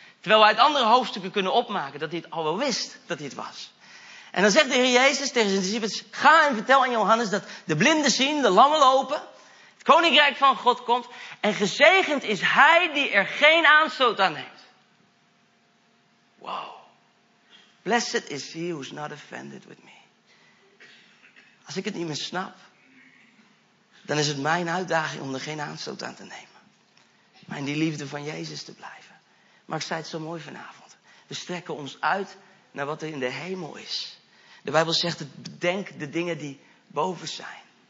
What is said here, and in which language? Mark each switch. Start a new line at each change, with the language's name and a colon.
Dutch: Terwijl we uit andere hoofdstukken kunnen opmaken dat hij het al wel wist dat hij het was. En dan zegt de Heer Jezus tegen zijn discipelen. Ga en vertel aan Johannes dat de blinden zien, de lammen lopen. Koninkrijk van God komt en gezegend is hij die er geen aanstoot aan neemt. Wow.
English: Blessed is he who's not offended with me.
Dutch: Als ik het niet meer snap, dan is het mijn uitdaging om er geen aanstoot aan te nemen. Maar in die liefde van Jezus te blijven. Maar ik zei het zo mooi vanavond. We strekken ons uit naar wat er in de hemel is. De Bijbel zegt, bedenk de dingen die boven zijn.